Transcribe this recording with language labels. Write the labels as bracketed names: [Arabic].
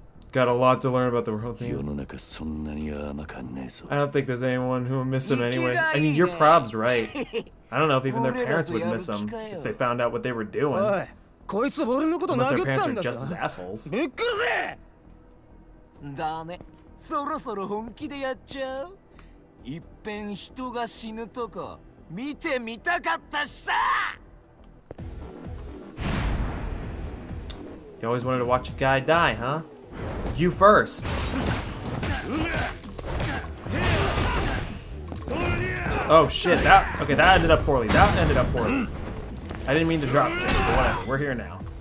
[English] Got a lot to learn about the world, man. I don't think there's anyone who will miss them anyway. I mean, your prob's right. I don't know if even their parents would miss them if they found out what they were doing. [Japanese] こいつ俺のこと殴ったんだぞ。びっくりせ。だね。そろそろ本気でやっちゃう。一遍人が死ぬとか見てみたかったしさ。 [English] You always wanted to watch a guy die, huh? You first. Oh shit, that- okay, that ended up poorly. That ended up poorly. I didn't mean to drop it, but whatever. We're here now.